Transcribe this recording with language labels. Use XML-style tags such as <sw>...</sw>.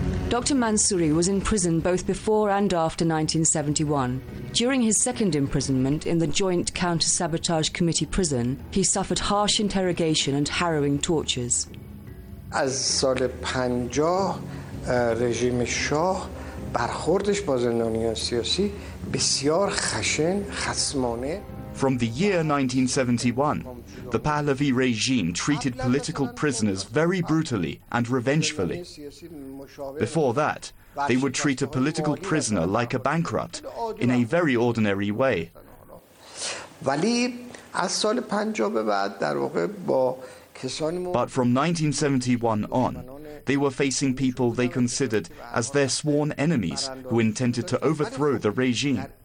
<en>Dr. Mansouri was in prison both before and after 1971. During his second imprisonment in the Joint Counter-Sabotage Committee prison, he suffered harsh interrogation and harrowing tortures.</en> <fa>As سال 50 رژیم شاه برخوردش با زندانیان سیاسی بسیار خشن خصمانه.</fa> <en>From the year 1971, the Pahlavi regime treated political prisoners very brutally and revengefully. Before that, they would treat a political prisoner like a bankrupt in a very ordinary way. But from 1971 on, they were facing people they considered as their sworn enemies who intended to overthrow the regime.</en>